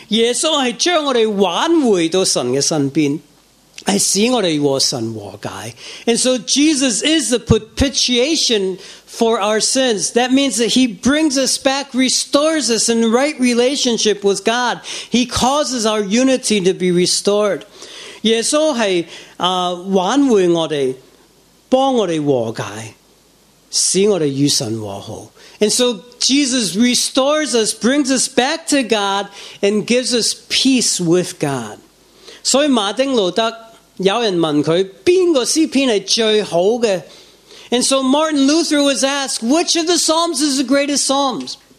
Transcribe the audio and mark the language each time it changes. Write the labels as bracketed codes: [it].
[zh] 耶稣是我们的挽回祭，耶稣是将我们挽回到神的身边。 [en] And so Jesus is the propitiation for our sins. That means that he brings us back, restores us in right relationship with God. He causes our unity to be restored. [zh] 耶稣是挽回我们，帮我们和解，使我们与神和好。 [en] And so Jesus restores us, brings us back to God, and gives us peace with God. [zh] 所以马丁路德 有人问他,哪个诗篇是最好的? [en] And so Martin Luther was asked, which of the psalms is the greatest psalms?